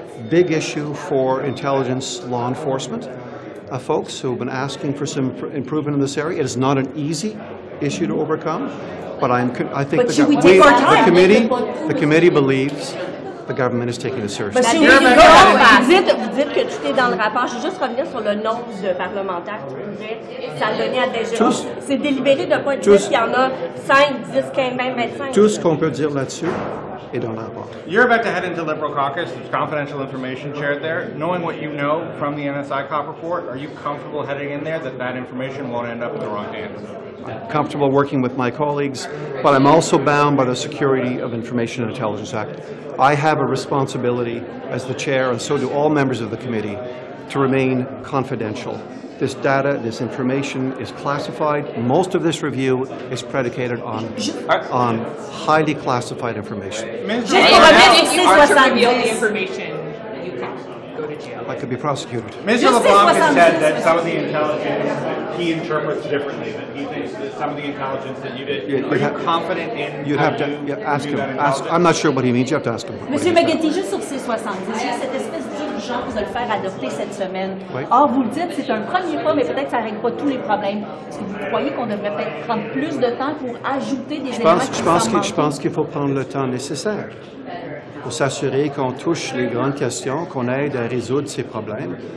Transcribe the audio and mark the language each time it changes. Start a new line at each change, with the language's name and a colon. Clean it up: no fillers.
English: big issue for intelligence law enforcement folks who have been asking for some improvement in this area. It is not an easy issue to overcome, but the committee believes the government is taking this seriously.
French: Monsieur, vous dites que tout est dans le rapport. Je vais juste revenir sur le nombre de parlementaires qui pourraient s'adonner à des jeunes. C'est délibéré de ne pas dire qu'il y en a 5, 10, 15, même 25. Tout ce qu'on peut dire là-dessus est dans le rapport.
English: You're about to head into Liberal caucus. There's confidential information shared there. Knowing what you know from the NSICOP report, are you comfortable heading in there that that information won't end up in the wrong hands? I'm comfortable working with my colleagues, but I'm also bound by the Security of Information and Intelligence Act. I have a responsibility as the chair, and so do all members of the committee, to remain confidential. This data, this information is classified. Most of this review is predicated on highly classified information. I could be prosecuted. Mr. LeBlanc has said that some of the intelligence he interprets differently, that he thinks that some of the intelligence that you did, confident in... You'd have to ask him. I'm not sure what he means. You have to ask him.
French: Monsieur McGuinty, just sur C-70, cette espèce d'urgence de le faire adopter cette semaine. Oui. Or, vous le dites, c'est un premier pas, mais peut-être que ça ne règle pas tous les problèmes. Est-ce que vous croyez qu'on devrait peut-être prendre plus de temps pour ajouter des éléments qui... Je pense qu'il faut prendre le temps nécessaire pour s'assurer qu'on touche les grandes questions, qu'on aide à résoudre ces problèmes.